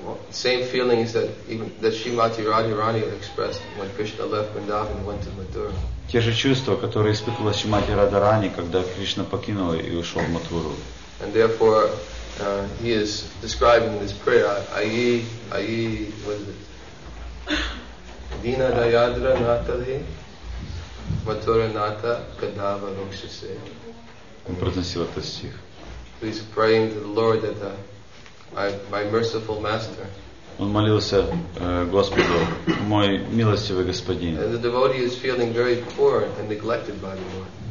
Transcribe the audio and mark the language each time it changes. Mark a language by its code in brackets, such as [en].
[en] Same feelings that Shrimati Radharani expressed when Krishna left Vrindavan and went to Mathura. [ru] Те же чувства, которые испытывала Шримати Радхарани, когда Кришна покинул и ушел в Матхуру. [en] And therefore, he is describing this prayer. [sa] Ayi, [en] what is it? [sa] Dina dayadra natale, matura nata kadava lokshase. [ru] Он произносил этот стих. [en] He is praying to the Lord that my merciful master. [ru] Он молился Господу, мой милостивый господин. [en] And the devotee is feeling very poor and neglected by the Lord.